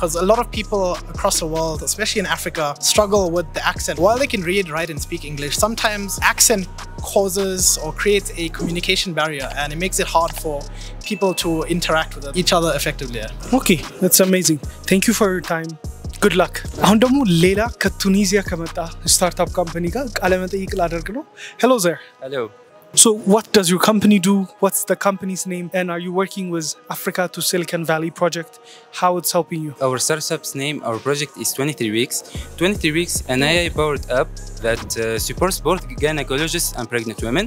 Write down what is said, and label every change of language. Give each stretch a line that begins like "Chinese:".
English: Because a lot of people across the world, especially in Africa, struggle with the accent. While they can read, write, and speak English, sometimes accent causes or creates a communication barrier and it makes it hard for people to interact with each other effectively. Okay, that's amazing. Thank you for your time. Good luck.
Amharic: አሁን ደግሞ ሌላ ከቱኒዚያ ከመጣ ስታርታፕ ካምፓኒ ጋር ቃለ መጠይቅ ላደርግ ነው።
English: Hello there. Hello. So what does your company do? What's the company's name? And are you working with Africa to Silicon Valley project? How it's helping you? Our startup's name, our project is 23 Weeks. 23 Weeks, an AI-powered app that supports both gynecologists and pregnant women.